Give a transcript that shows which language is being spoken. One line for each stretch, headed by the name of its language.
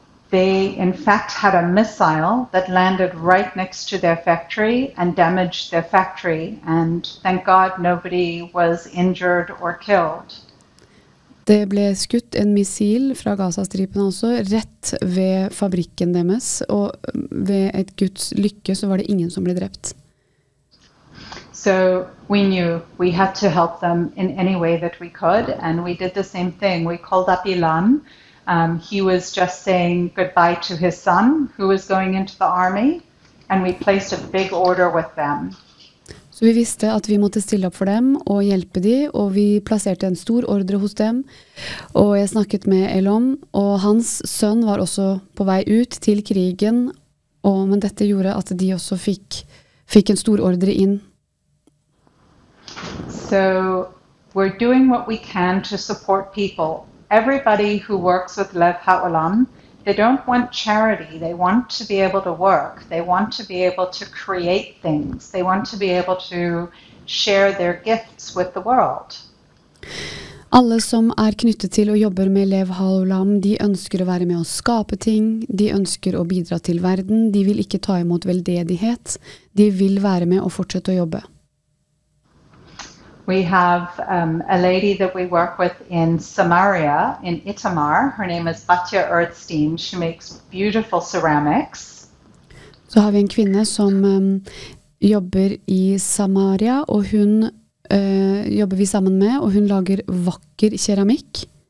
English: They in fact had a missile that landed right next to their factory and damaged their factory, and thank God nobody was injured or killed.
Norwegian: Det ble skutt en missil fra Gaza-stripen også, rett ved fabrikken deres, og ved et Guds lykke så var det ingen som ble drept.
English: So we knew we had to help them in any way that we could, and we did the same thing. We called up Ilan. He was just saying goodbye to his son, who was going into the army, and we placed a big order with them.
Norwegian: Så vi visste at vi måtte stille opp for dem og hjelpe dem, og vi plasserte en stor ordre hos dem. Og jeg snakket med Elom, og hans sønn var også på vei ut til krigen, og, men dette gjorde at de også fikk en stor ordre inn.
English: So, we're doing what we can to support people. Everybody who works with Lev Ha'olam, they don't want charity. They want to be able to work. They want to be able to create things. They want to be able to share their gifts with the world.
Norwegian: Alle som knyttet til og jobber med Lev Ha'olam, de ønsker å være med og skape ting. De ønsker å bidra til verden. De vil ikke ta imot veldedighet. De vil være med og fortsette å jobbe.
English: We have a lady that we work with in Samaria, in Itamar. Her name is Batya Erdstein. She makes beautiful ceramics.
Norwegian: Så har vi en kvinne som jobber i Samaria, og hun jobber vi sammen med, og hun lager vakker keramikk.